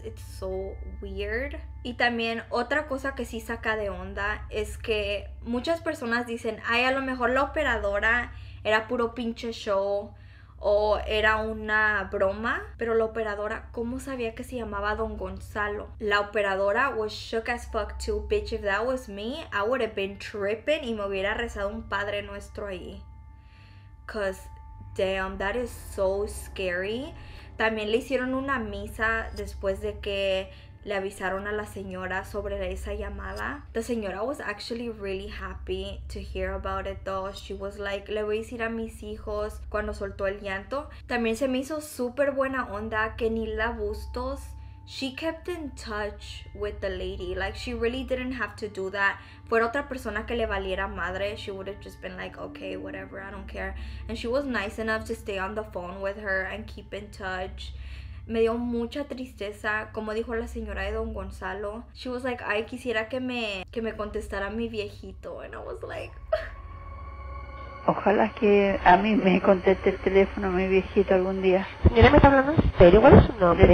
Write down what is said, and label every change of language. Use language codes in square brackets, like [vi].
[en] It's so weird. [es] Y también otra cosa que sí saca de onda es que muchas personas dicen, ay, a lo mejor la operadora era puro pinche show o era una broma. Pero la operadora, ¿cómo sabía que se llamaba Don Gonzalo? [en] La operadora was shook as fuck too. Bitch, if that was me, I would have been tripping [es] y me hubiera rezado un padre nuestro ahí. [en] Cause damn, that is so scary. [es] También le hicieron una misa después de que le avisaron a la señora sobre esa llamada. [en] The señora was actually really happy to hear about it though. She was like, [es] le voy a decir a mis hijos cuando soltó el llanto. También se me hizo súper buena onda que Nilda Bustos, [en] she kept in touch with the lady. Like, she really didn't have to do that. [es] Fuera otra persona que le valiera madre, [en] she would have just been like, okay, whatever, I don't care. And she was nice enough to stay on the phone with her and keep in touch. [es] Me dio mucha tristeza, como dijo la señora de Don Gonzalo. [en] She was like, [es] ay, quisiera que me contestara mi viejito. [en] And I was like... [es] Ojalá que a mí me conteste el teléfono mi viejito algún día. Señora, ¿me está hablando en serio? ¿Cuál es su nombre?